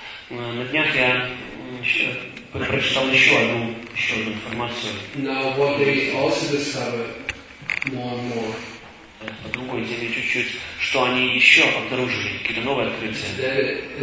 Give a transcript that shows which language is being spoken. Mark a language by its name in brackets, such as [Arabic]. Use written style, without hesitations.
[Russian] На днях я прочитал еще одну информацию. [English] Now what they also discover more and more. [Russian] По другой теме чуть-чуть, что они еще обнаружили, какие-то новые открытия.